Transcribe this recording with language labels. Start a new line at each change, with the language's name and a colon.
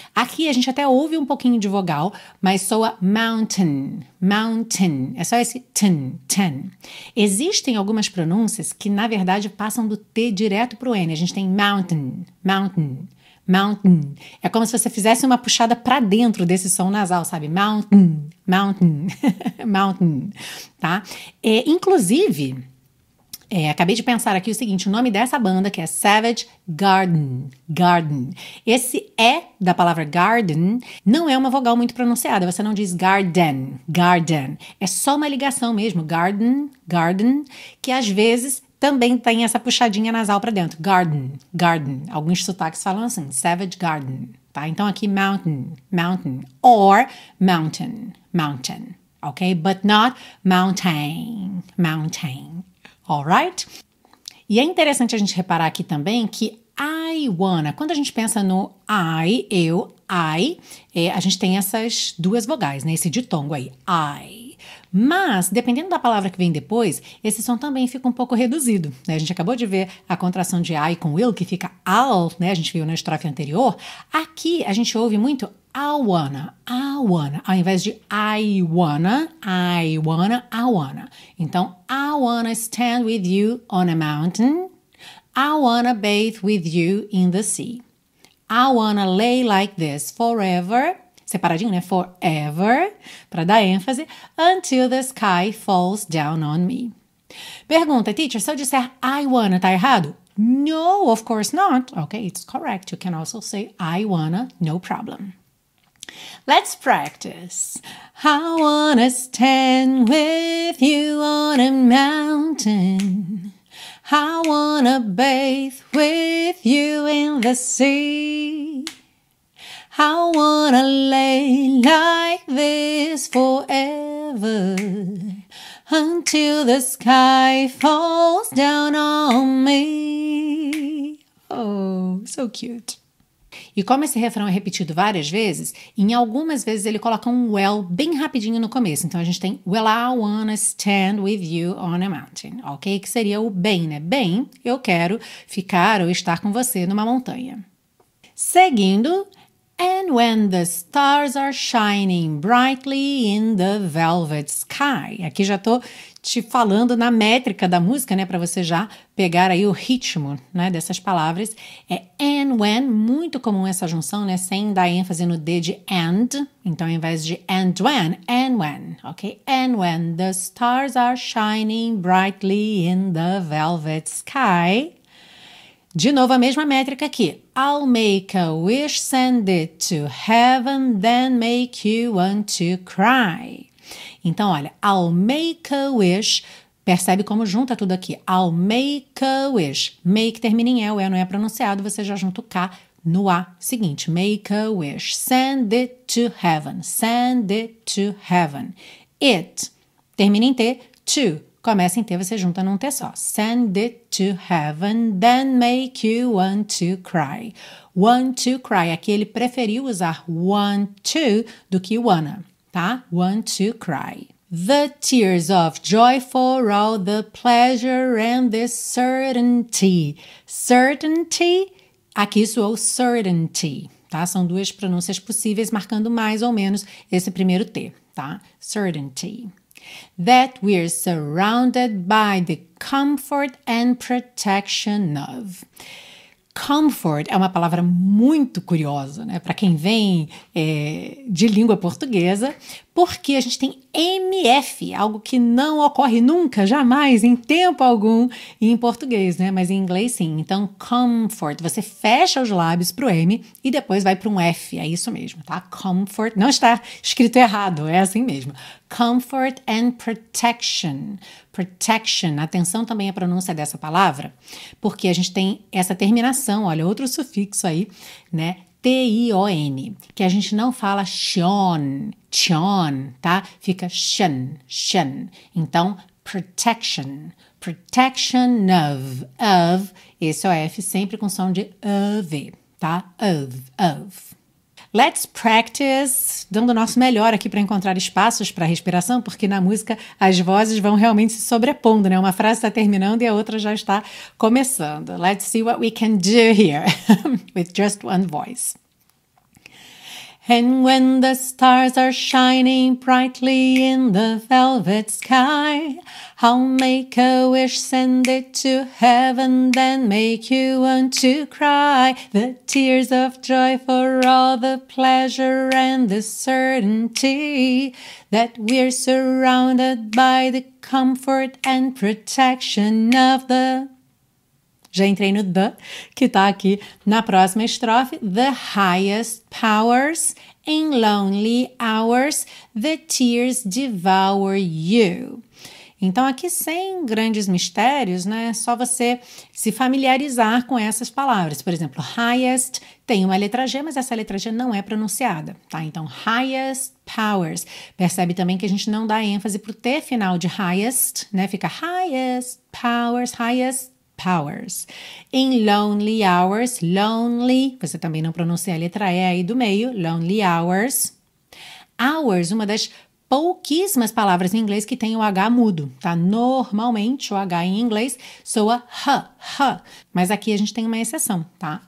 Portuguese: Aqui a gente até ouve um pouquinho de vogal, mas soa mountain, mountain. É só esse ten, ten. Existem algumas pronúncias que, na verdade, passam do T direto para o N. A gente tem mountain. Mountain, mountain. É como se você fizesse uma puxada para dentro desse som nasal, sabe?
English: Mountain, mountain, mountain, tá?
Portuguese: Inclusive, acabei de pensar aqui o seguinte, o nome dessa banda que é Savage Garden, Garden. Esse E da palavra garden não é uma vogal muito pronunciada, você não diz garden, garden. É só uma ligação mesmo, garden, garden, que às vezes também tem essa puxadinha nasal para dentro. Garden, garden. Alguns sotaques falam assim, Savage Garden. Tá?
English: Então aqui, mountain, mountain. Or mountain, mountain. Ok? But not mountain, mountain. All right?
Portuguese: E é interessante a gente reparar aqui também que I wanna, quando a gente pensa no I, eu, I, a gente tem essas duas vogais, né? Esse ditongo aí, I. Mas, dependendo da palavra que vem depois, esse som também fica um pouco reduzido, né? A gente acabou de ver a contração de I com will, que fica I'll, né? A gente viu na estrofe anterior. Aqui, a gente ouve muito I wanna, ao invés de I wanna, I wanna. Então,
English: I wanna stand with you on a mountain. I wanna bathe with you in the sea. I wanna lay like this forever.
Portuguese: Separadinho, né?
English: Forever,
Portuguese: para dar ênfase,
English: until the sky falls down on me.
Portuguese: Pergunta,
English: teacher,
Portuguese: se eu disser
English: I wanna,
Portuguese: tá errado?
English: No, of course not. Okay, it's correct. You can also say I wanna, no problem. Let's practice. I wanna stand with you on a mountain. I wanna bathe with you in the sea. I wanna lay like this forever until the sky falls down on me. Oh, so cute.
Portuguese: E como esse refrão é repetido várias vezes, em algumas vezes ele coloca um well bem rapidinho no começo. Então a gente tem,
English: well, I wanna stand with you on a mountain, ok?
Portuguese: Que seria o bem, né? Bem, eu quero ficar ou estar com você numa montanha. Seguindo,
English: and when the stars are shining brightly in the velvet sky.
Portuguese: Aqui já tô te falando na métrica da música, né, para você já pegar aí o ritmo, né, dessas palavras. É and when, muito comum essa junção, né, sem dar ênfase no D de and. Então, ao invés de and when, ok?
English: And when the stars are shining brightly in the velvet sky.
Portuguese: De novo, a mesma métrica aqui.
English: I'll make a wish, send it to heaven, then make you want to cry.
Portuguese: Então, olha,
English: I'll make a wish.
Portuguese: Percebe como junta tudo aqui.
English: I'll make a wish.
Portuguese: Make termina em el não é pronunciado, você já junta o K no A seguinte.
English: Make a wish. Send it to heaven. Send it to heaven.
Portuguese: It termina em T, to. Começa em T, você junta num T só.
English: Send it to heaven, then make you want to cry. Want to cry.
Portuguese: Aqui ele preferiu usar want to do que wanna, tá?
English: Want to cry. The tears of joy for all the pleasure and this certainty.
Portuguese: Certainty, aqui soou certainty, tá? São duas pronúncias possíveis, marcando mais ou menos esse primeiro T, tá?
English: Certainty. That we're surrounded by the comfort and protection of.
Portuguese: Comfort é uma palavra muito curiosa, né? Para quem vem de língua portuguesa, porque a gente tem MF, algo que não ocorre nunca, jamais, em tempo algum, em português, né? Mas em inglês, sim. Então, comfort, você fecha os lábios pro M e depois vai para um F, é isso mesmo, tá? Comfort, não está escrito errado, é assim mesmo. Comfort and protection. Protection, atenção também à pronúncia dessa palavra, porque a gente tem essa terminação, olha, outro sufixo aí, né? T-I-O-N, que a gente não fala chion, chion, tá? Fica shen, shen. Então, protection, protection of, esse é o F sempre com som de of, tá?
English: Of. Let's practice,
Portuguese: dando o nosso melhor aqui para encontrar espaços para respiração, porque na música as vozes vão realmente se sobrepondo, né? Uma frase está terminando e a outra já está começando.
English: Let's see what we can do here with just one voice. And when the stars are shining brightly in the velvet sky, I'll make a wish, send it to heaven, then make you want to cry. The tears of joy for all the pleasure and the certainty that we're surrounded by the comfort and protection of the...
Portuguese: Já entrei no the, que tá aqui na próxima estrofe.
English: The highest powers in lonely hours, the tears devour you.
Portuguese: Então, aqui sem grandes mistérios, né? Só você se familiarizar com essas palavras. Por exemplo, highest tem uma letra G, mas essa letra G não é pronunciada, tá? Então,
English: highest powers.
Portuguese: Percebe também que a gente não dá ênfase pro T final de highest, né?
English: Fica highest powers, highest powers. In lonely hours,
Portuguese: lonely, você também não pronuncia a letra E aí do meio, lonely hours. Hours, uma das pouquíssimas palavras em inglês que tem o H mudo, tá? Normalmente o H em inglês soa H, H, mas aqui a gente tem uma exceção, tá?